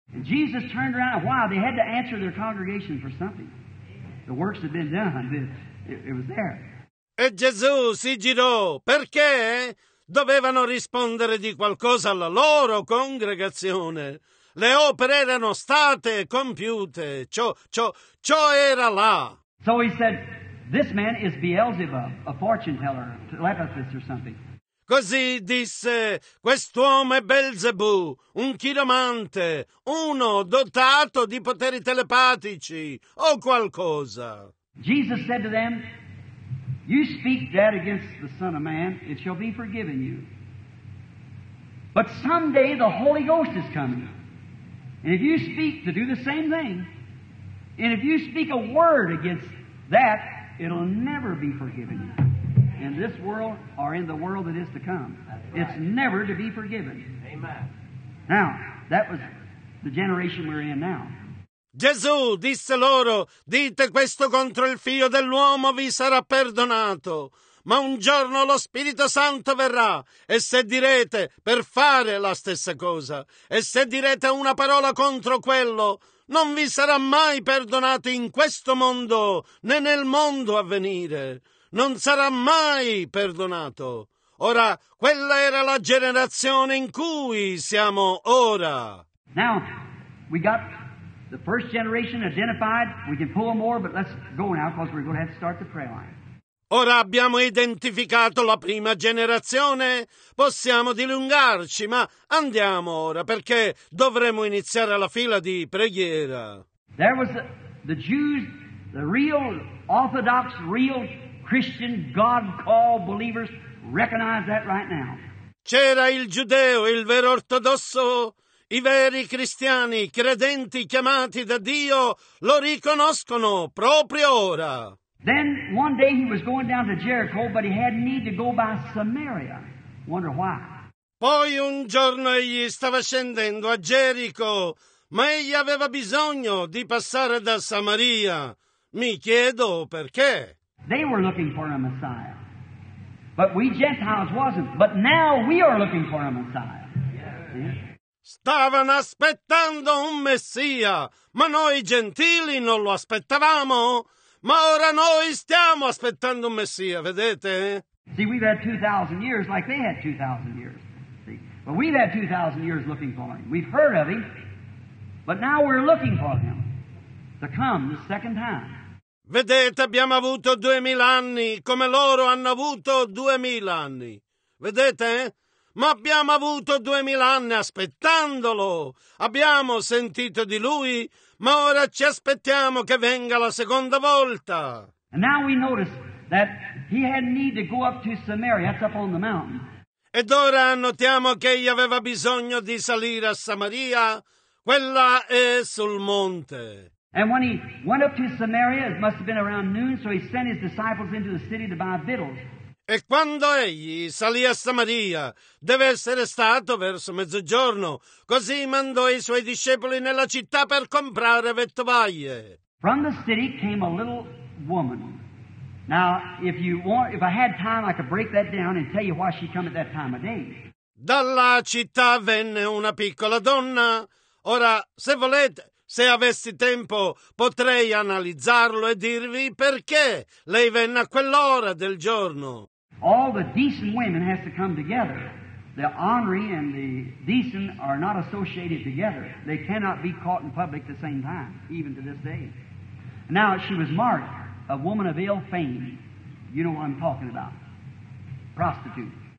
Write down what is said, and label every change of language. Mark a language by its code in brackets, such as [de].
[en] And Jesus turned around, wow, they had to answer their congregation for something. The works had been done, it was there. [it] E Gesù si girò, perché dovevano rispondere di qualcosa alla loro congregazione. Le opere erano state compiute, ciò era là. [en] So he said, this man is Beelzebub, a fortune teller, telepathist or something. [it] Così disse, quest'uomo è Belzebù, un chiromante, uno dotato di poteri telepatici, o qualcosa. [en] Jesus said to them, you speak that against the Son of Man, it shall be forgiven you. But someday the Holy Ghost is coming. And if you speak to do the same thing, and if you speak a word against that, it'll never be forgiven you. In this world, or in the world that is to come. Right. It's never to be forgiven. Amen. Now, that was the generation we're in now. [it] Gesù disse loro, dite questo contro il figlio dell'uomo, vi sarà perdonato. Ma un giorno lo Spirito Santo verrà, e se direte, per fare la stessa cosa, e se direte una parola contro quello, non vi sarà mai perdonato in questo mondo, né nel mondo a venire. Non sarà mai perdonato. Ora, quella era la generazione in cui siamo ora. [en] Now, we got the first generation identified. We can pull more, but let's go now because we're going to have to start the prayer line. [it] Ora abbiamo identificato la prima generazione. Possiamo dilungarci, ma andiamo ora perché dovremo iniziare la fila di preghiera. [en] There was the Jews, the real Orthodox, real Christian God called believers, recognize that right now. [it] C'era il giudeo, il vero ortodosso, i veri cristiani, credenti chiamati da Dio, lo riconoscono proprio ora. [en] Then one day he was going down to Jericho, but he had need to go by Samaria. Wonder why. [it] Poi un giorno egli stava scendendo a Gerico, ma egli aveva bisogno di passare da Samaria. Mi chiedo perché. [en] They were looking for a Messiah, but we Gentiles wasn't. But now we are looking for a Messiah. Yeah. [it] Stavano aspettando un Messia, ma noi Gentili non lo aspettavamo. Ma ora noi stiamo aspettando un Messia, vedete? [en] See, we've had 2,000 years like they had 2,000 years. But we've had 2,000 years looking for him. We've heard of him. But now we're looking for him to come the second time. [it] Vedete, abbiamo avuto 2,000 anni come loro hanno avuto 2,000 anni. Vedete? Ma abbiamo avuto 2,000 anni aspettandolo. Abbiamo sentito di lui, ma ora ci aspettiamo che venga la seconda volta. [en] And now we notice that he had need to go up to Samaria. That's up on the mountain. [it] Ed ora notiamo che egli aveva bisogno di salire a Samaria, quella è sul monte. [en] And when he went up to Samaria, it must have been around noon, so he sent his disciples into the city to buy victuals. [it] E quando egli salì a Samaria, deve essere stato verso mezzogiorno, così mandò i suoi discepoli nella città per comprare vettovaglie. [en] From the city came a little woman. Now, if I had time, I could break that down and tell you why she came at that time of day. [it] Dalla città venne una piccola donna. Ora, se volete, se avessi tempo, potrei analizzarlo e dirvi perché lei venne a quell'ora del giorno. [en] All the decent women have to come together. The ornery and the decent are not associated together. They cannot be caught in public at the same time, even to this day. Now, she was marked. A woman of ill fame, you know what I'm talking about, prostitute.